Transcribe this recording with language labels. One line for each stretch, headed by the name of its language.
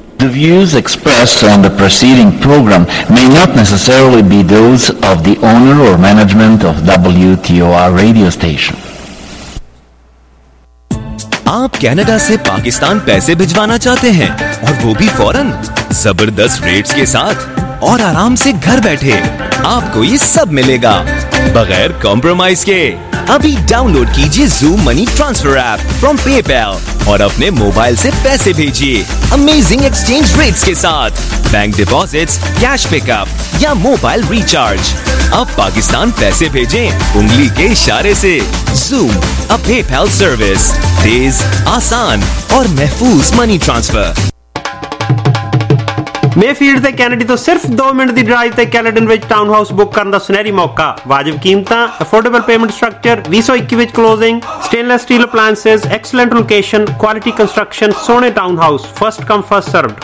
English: The views expressed on the preceding program may not necessarily be those of the owner or management of WTOR radio station.
Hindi: आप Canada से पाकिस्तान पैसे भिजवाना चाहते हैं और वो भी फौरन जबरदस्त रेट्स के साथ और आराम से घर बैठे, आपको ये सब मिलेगा बगैर कॉम्प्रोमाइज के। अभी डाउनलोड कीजिए Zoom Money Transfer App from PayPal और अपने मोबाइल से पैसे भेजिए अमेजिंग एक्सचेंज रेट्स के साथ, बैंक डिपॉजिट्स, कैश पिकअप या मोबाइल रिचार्ज। अब पाकिस्तान पैसे भेजें उंगली के इशारे से। Zoom,
English: a PayPal service,
Hindi: तेज आसान और महफूज मनी ट्रांसफर।
Punjabi: ਮੇਫੀਲਡ ਤੇ ਕੈਨੇਡੀ ਤੋਂ ਸਿਰਫ 2 ਮਿੰਟ ਦੀ ਡਰਾਈਵ ਤੇ ਕੈਨੇਡਨ ਵਿੱਚ ਟਾਊਨ ਹਾਊਸ ਬੁੱਕ ਕਰਨ ਦਾ ਸੁਨਹਿਰੀ ਮੌਕਾ। ਵਾਜਬ ਕੀਮਤਾਂ, ਅਫੋਰਡੇਬਲ ਪੇਮੈਂਟ ਸਟਰਕਚਰ, 2021 ਵਿੱਚ closing, stainless steel ਅਪਲਾਈਐਂਸਿਸ, excellent location, quality construction, ਸੋਹਣੇ town house, first come first served.